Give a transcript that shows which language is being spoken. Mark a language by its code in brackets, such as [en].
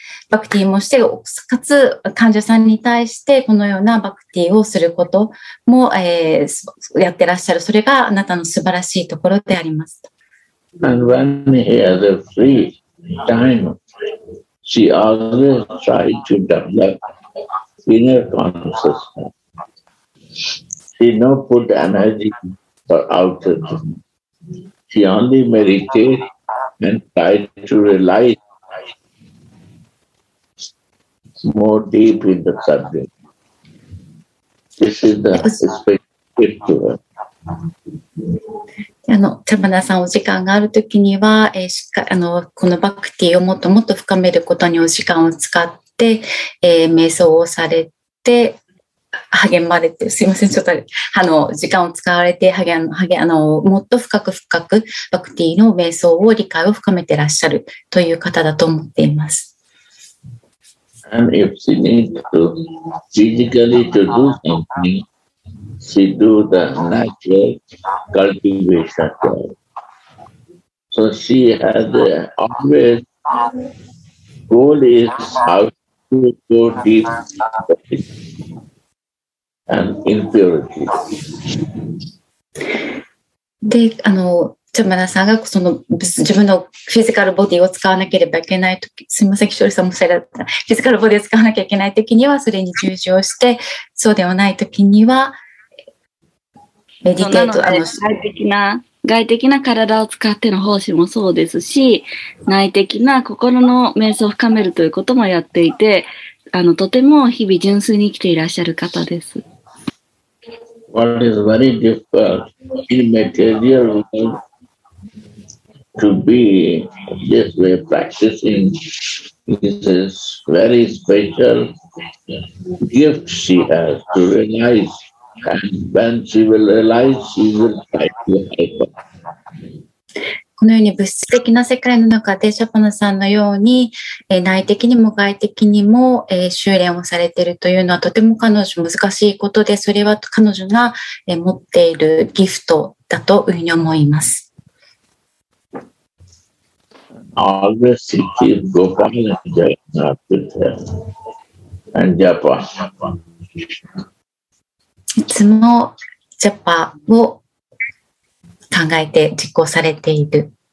[ja] バクティもして、かつ患者さんに対してこのようなバクティをすることも、やってらっしゃる。それがあなたの素晴らしいところであります。 [en] And when he has a free time, she always tries to develop inner consciousness. She no put energy for outer things. She only meditates and tries to realize more deep in the subject. This is the special to her. [ja] あの、チャバナさんお時間があるときには、しっかりあのこのバクティをもっともっと深めることにお時間を使って、瞑想をされて励まれて、すいませんちょっとあの時間を使われて励あのもっと深くバクティの瞑想を理解を深めてらっしゃるという方だと思っています。 [en] And if she needs to physically to do something,She do the natural cultivation work. So she has always goal is how to go deep and impurity. [ja] で、あの、チャマナさんがその自分のフィジカルボディを使わなければいけないとき、すみません、キショリさんもそれだった。フィジカルボディを使わなきゃいけないときには、それに従事をして、そうではないときには、外的な体を使っての奉仕もそうですし、内的な心の瞑想を深めるということもやっていて、あのとても日々純粋に生きていらっしゃる方です。 [en] What is very difficult in material world to be this way practicing is very special gift she has to realize. And when she will realize, she will try to help her. [ja] このように物質的な世界の中でシャパナさんのように内的にも外的にも修練をされているというのはとても彼女難しいことで、それは彼女が持っているギフトだというふうに思います。 [en] Always she keeps Gopal and Jagannath with her and Japan. [ja] いつもジャパを考えて実行されている。